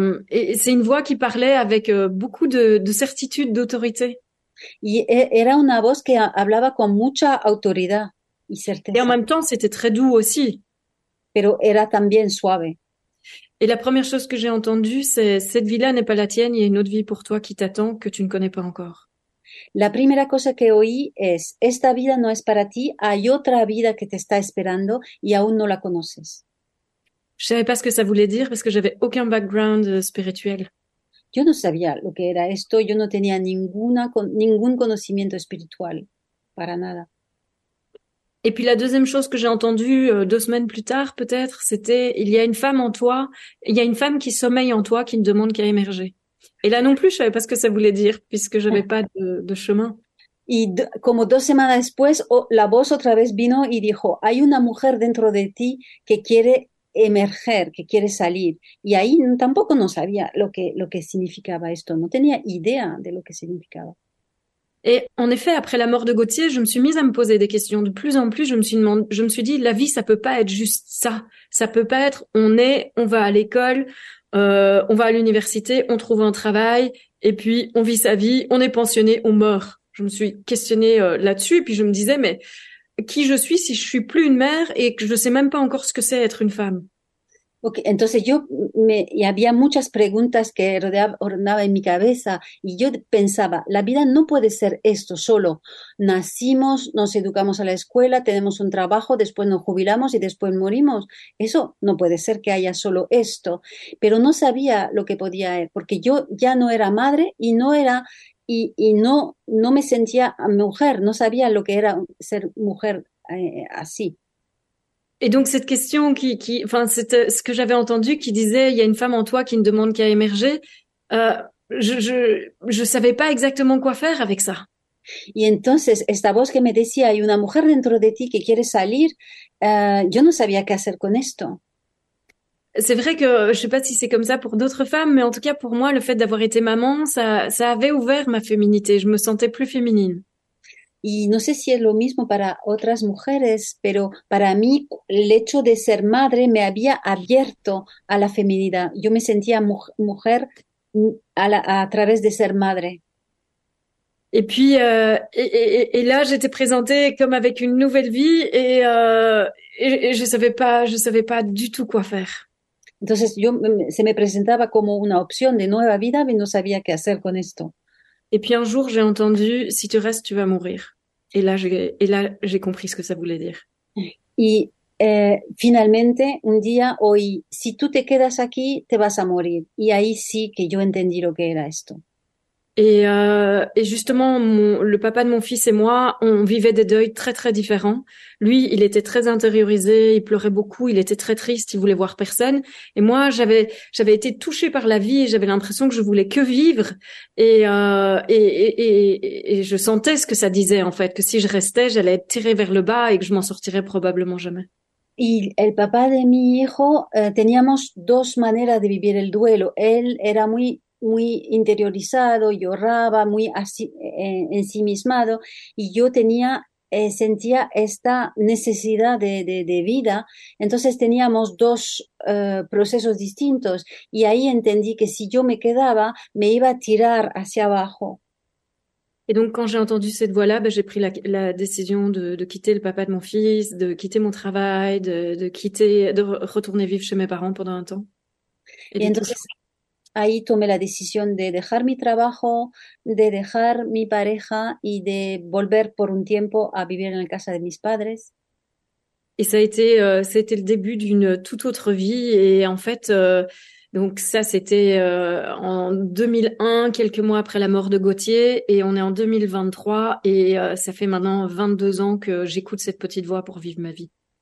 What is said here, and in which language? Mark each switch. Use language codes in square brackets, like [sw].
[fr] Et c'est une voix qui parlait avec beaucoup de certitude, d'autorité. [es] Y era una voz que hablaba con mucha autoridad y [fr] Et en [es] certeza. [fr] même temps, c'était très doux aussi. [es] Pero era también suave. [fr] Et la première chose que j'ai entendue, c'est « Cette vie-là n'est pas la tienne, il y a une autre vie pour toi qui t'attend, que tu ne connais pas encore. » [es] La primera cosa que oí es: esta vida no es para ti, hay otra vida que te está esperando y aún no la conoces. [fr] Je savais pas ce que ça voulait dire parce que j'avais aucun background spirituel. [es] Yo no sabía lo que era esto, yo no tenía ningún conocimiento espiritual, para nada. [fr] Et puis la deuxième chose que j'ai entendue 2 semaines plus tard, peut-être, c'était il y a une femme en toi, il y a une femme qui sommeille en toi, qui ne demande qu'à émerger. Et là non plus, je savais pas ce que ça voulait dire puisque j'avais pas de chemin. [es] Y como 2 semanas después, la voz otra vez vino y dijo: hay una mujer dentro de ti que quiere emerger, que quiere salir. Y ahí tampoco no sabía lo que significaba esto, no tenía idea de lo que significaba. [fr] Et en effet, après la mort de Gautier, je me suis mise à me poser des questions. De plus en plus, je me suis dit, la vie, ça peut pas être juste ça. Ça peut pas être, on va à l'école, on va à l'université, on trouve un travail, et puis on vit sa vie, on est pensionné, on meurt. Je me suis questionnée, là-dessus, et puis je me disais, mais qui je suis si je suis plus une mère et que je sais même pas encore ce que c'est être une femme? [es] Okay, entonces y había muchas preguntas que rodeaban en mi cabeza y yo pensaba, la vida no puede ser esto solo. Nacimos, nos educamos a la escuela, tenemos un trabajo, después nos jubilamos y después morimos. Eso no puede ser que haya solo esto. Pero no sabía lo que podía haber, porque yo ya no era madre y no era y no, no me sentía mujer, no sabía lo que era ser mujer así. [fr] Et donc cette question enfin c'était ce que j'avais entendu qui disait il y a une femme en toi qui ne demande qu'à émerger. Je savais pas exactement quoi faire avec ça. [es] Y entonces esta voz que me decía, hay una mujer dentro de ti que quiere salir, yo no sabía qué hacer con esto. [fr] C'est vrai que je sais pas si c'est comme ça pour d'autres femmes, mais en tout cas pour moi le fait d'avoir été maman, ça avait ouvert ma féminité. Je me sentais plus féminine. [es] Y no sé si es lo mismo para otras mujeres, pero para mí el hecho de ser madre me había abierto a la feminidad. Yo me sentía mujer a través de ser madre. [fr] Et puis, et là, j'étais présentée comme avec une nouvelle vie et je savais pas du tout quoi faire. [es] Entonces se me presentaba como una opción de nueva vida, pero no sabía qué hacer con esto. [fr] Et puis un jour, j'ai entendu, si tu restes, tu vas mourir. Et là, j'ai compris ce que ça voulait dire. [es] Y finalmente, un día oí: si tú te quedas aquí, te vas a morir. Y ahí sí que yo entendí lo que era esto. [fr] Et justement, le papa de mon fils et moi, on vivait des deuils très très différents. Lui, il était très intériorisé, il pleurait beaucoup, il était très triste, il voulait voir personne. Et moi, j'avais été touchée par la vie et j'avais l'impression que je voulais que vivre. Et je sentais ce que ça disait en fait, que si je restais, j'allais être tirée vers le bas et que je m'en sortirais probablement jamais. [es] Y el papá de mi hijo, teníamos dos maneras de vivir el duelo. Él era muy muy interiorizado, lloraba, muy así, ensimismado, y yo sentía esta necesidad de vida. Entonces teníamos dos procesos distintos, y ahí entendí que si yo me quedaba, me iba a tirar hacia abajo. [fr] Et donc, quand j'ai entendu cette voix-là, bah, j'ai pris la décision de quitter le papa de mon fils, de quitter mon travail, de retourner vivre chez mes parents pendant un temps. Et [es] Y [fr] de tout. [es] entonces ahí tomé la decisión de dejar mi trabajo, de dejar mi pareja y de volver por un tiempo a vivir en la casa de mis padres. [fr] Et ça a été le début d'une toute autre vie. Et en fait, donc ça, c'était en 2001, quelques mois après la mort de Gauthier. Et on est en 2023. Et ça fait maintenant 22 ans que j'écoute cette petite voix pour vivre ma vie.